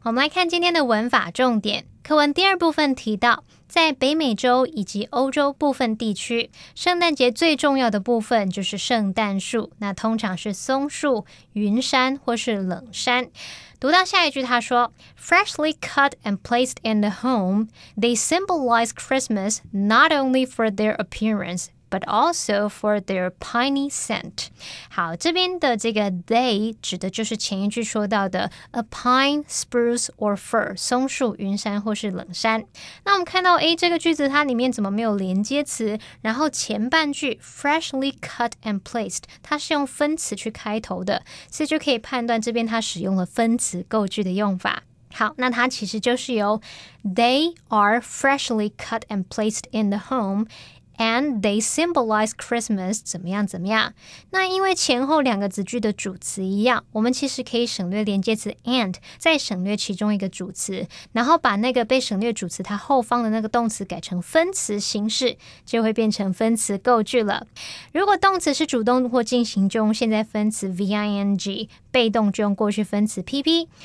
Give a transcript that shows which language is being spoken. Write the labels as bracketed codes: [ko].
[zh] 我们来看今天的文法重点。课文第二部分提到，在北美洲以及欧洲部分地区，圣诞节最重要的部分就是圣诞树，那通常是松树、云杉或是冷杉。读到下一句，他说 [en] Freshly cut and placed in the home, they symbolize Christmas not only for their appearance, but also for their piney scent. [zh] 好，这边的这个 they 指的就是前一句说到的 [en] a pine, spruce, or fir, [zh] 松树、云杉或是冷杉。那我们看到，哎，这个句子它里面怎么没有连接词？然后前半句 [en] freshly cut and placed, [zh] 它是用分词去开头的，所以就可以判断这边它使用了分词构句的用法。好，那它其实就是由 [en] they are freshly cut and placed in the home and they symbolize Christmas [zh] 怎么样怎么样。那因为前后两个子句的主词一样，我们其实可以省略连接词 and 再省略其中一个主词，然后把那个被省略主词它后方的那个动词改成分词形式，就会变成分词构句了。如果动词是主动或进行中，现在分词 ving，被动就用过去分词 PP。